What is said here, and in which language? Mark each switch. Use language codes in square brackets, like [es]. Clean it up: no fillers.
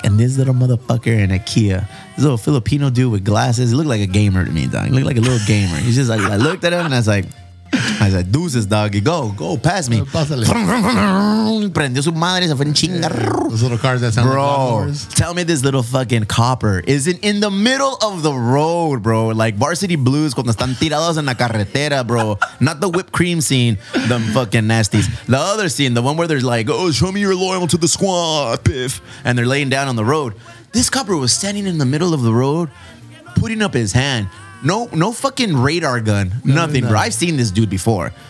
[en] And this little motherfucker in a Kia, this little Filipino dude with glasses, he looked like a gamer to me, dog. He looked like a little gamer. He's just like, I looked at him and I was like, deuces, doggy, go, pass me. [es] Prendió su madre, se fue en chinga. [en] Those little cars that sound, bro, like bro, tell me this little fucking copper isn't in the middle of the road, bro. [es] Like Varsity Blues cuando están tirados en la carretera, bro. [en] Not the whipped cream scene, them fucking nasties. The other scene, the one where they're like, oh, show me you're loyal to the squad, piff. And they're laying down on the road. This copper was standing in the middle of the road, putting up his hand. No fucking radar gun. No, nothing. Bro, I've seen this dude before.